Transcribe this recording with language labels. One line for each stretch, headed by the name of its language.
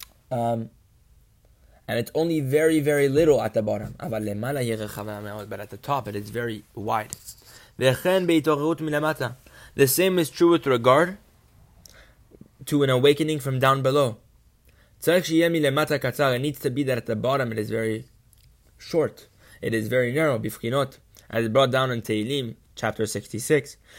English: And it's only very, very little at the bottom.
Hebrew: אבל למעלה היא רחבה מאוד,
English: but at the top it is very wide.
Hebrew: וכן בהתעוררות מלמטה.
English: The same is true with regard to an awakening from down below. It needs to be that at the bottom it is very short. It is very narrow. Bifkinot, as brought down in Tehilim, chapter 66.